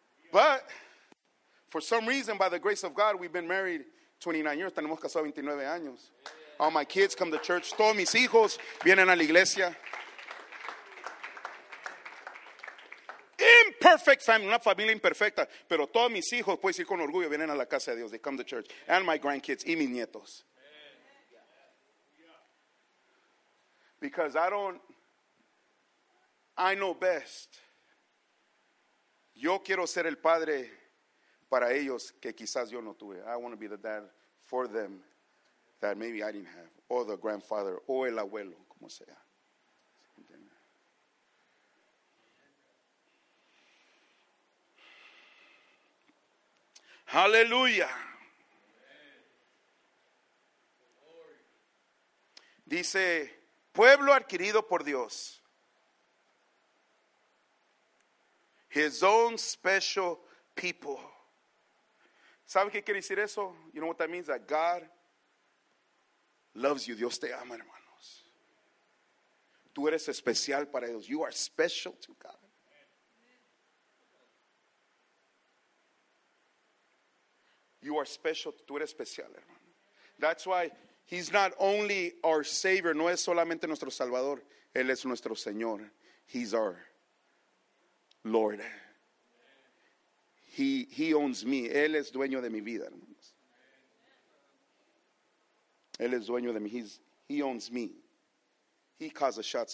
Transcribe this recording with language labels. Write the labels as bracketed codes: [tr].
[en] But for some reason, by the grace of God, we've been married 29 years. [es] Tenemos casado 29 años. [en] All my kids come to church. [es] Todos mis hijos vienen a la iglesia. [en] Imperfect family, [es] una familia imperfecta. Pero todos mis hijos, puedo decir con orgullo, vienen a la casa de Dios. [en] They come to church. And my grandkids [es] y mis nietos. [en] Because I know best. [es] Yo quiero ser el padre para ellos que quizás yo no tuve. [en] I want to be the dad for them that maybe I didn't have. Or the grandfather, [es] o el abuelo, como sea. [en] Hallelujah. [es] Dice, pueblo adquirido por Dios. [en] His own special people. [es] ¿Sabe qué quiere decir eso? [en] You know what that means? That God loves you. [es] Dios te ama, hermanos. Tú eres especial para Dios. [en] You are special to God. You are special. [es] Tú eres especial, hermano. [en] That's why He's not only our Savior. [es] No es solamente nuestro Salvador. Él es nuestro Señor. [en] He's our Lord. He owns me. [es] Él es dueño de mi vida, hermanos. Él es dueño de mí. [en] He owns me. He calls the shots.